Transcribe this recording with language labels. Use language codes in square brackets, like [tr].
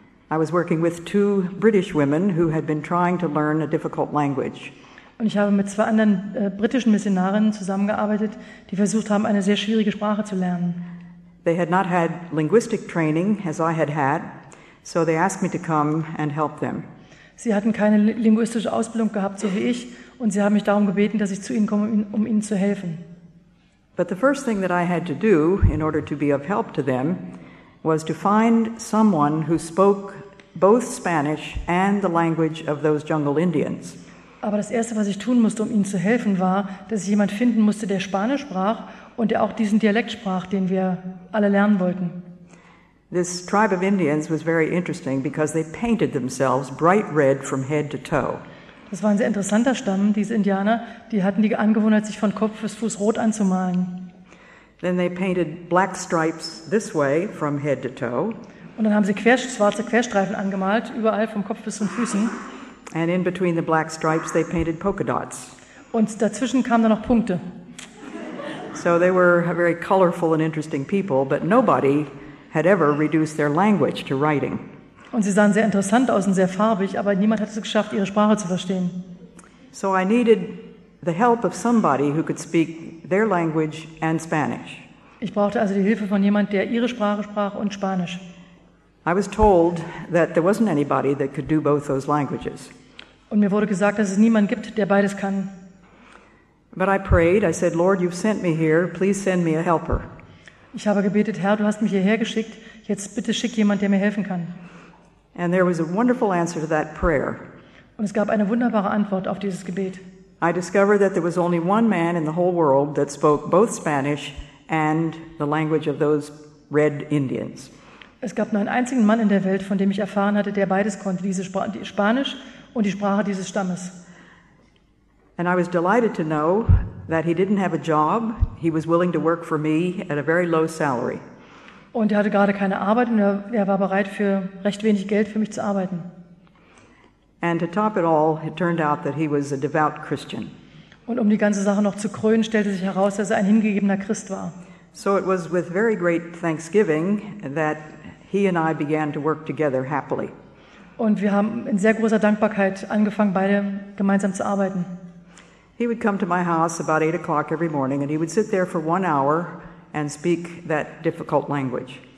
[en] I was working with 2 British women who had been trying to learn a difficult language. [de] Und ich habe mit 2 anderen britischen Missionarinnen zusammengearbeitet, die versucht haben, eine sehr schwierige Sprache zu lernen. [en] They had not had linguistic training as I had had, so they asked me to come and help them. [de] Sie hatten keine linguistische Ausbildung gehabt, so wie ich, und sie haben mich darum gebeten, dass ich zu ihnen komme, um ihnen zu helfen. [en] But the first thing that I had to do in order to be of help to them was to find someone who spoke both Spanish and the language of those jungle Indians. [de] Aber das erste, was ich tun musste, um ihnen zu helfen, war, dass ich jemand finden musste, der Spanisch sprach und der auch diesen Dialekt sprach, den wir alle lernen wollten. [en] This tribe of Indians was very interesting because they painted themselves bright red from head to toe. [de] Das war ein sehr interessanter Stamm, diese Indianer, die hatten die Angewohnheit, sich von Kopf bis Fuß rot anzumalen. [en] Then they painted black stripes this way from head to toe. [de] Und dann haben sie schwarze Querstreifen angemalt, überall vom Kopf bis zum Füßen. [en] And in between the black stripes they painted polka dots. [de] Und dazwischen kamen dann noch Punkte. [en] So they were very colorful and interesting people, but nobody had ever reduced their language to writing. [de] Und sie sahen sehr interessant aus und sehr farbig, aber niemand hat es geschafft, ihre Sprache zu verstehen. [en] So I needed the help of somebody who could speak their language and Spanish. [de] Ich brauchte also die Hilfe von jemand, der ihre Sprache sprach und Spanisch. [en] I was told that there wasn't anybody that could do both those languages. [de] Und mir wurde gesagt, dass es niemanden gibt, der beides kann. [en] But I prayed, I said, Lord, you've sent me here, please send me a helper. [de] Ich habe gebetet, Herr, du hast mich hierher geschickt, jetzt bitte schick jemand, der mir helfen kann. [en] And there was a wonderful answer to that prayer. [de] Und es gab eine wunderbare Antwort auf dieses Gebet. [en] I discovered that there was only one man in the whole world that spoke both Spanish and the language of those red Indians. [de] Es gab nur einen einzigen Mann in der Welt, von dem ich erfahren hatte, der beides konnte, diese Spanisch und die Sprache dieses Stammes. [en] And I was delighted to know that he didn't have a job. He was willing to work for me at a very low salary. [de] Und er hatte gerade keine Arbeit und er war bereit, für recht wenig Geld für mich zu arbeiten. [en] And to top it all, it turned out that he was a devout Christian. [de] Und um die ganze Sache noch zu krönen, stellte sich heraus, dass er ein hingegebener Christ war. [en] So it was with very great thanksgiving that he and I began to work together happily. [de] Und wir haben in sehr großer Dankbarkeit angefangen, beide gemeinsam zu arbeiten. [en] He would come to my house about 8 o'clock every morning and he would sit there for 1 hour and speak that difficult language.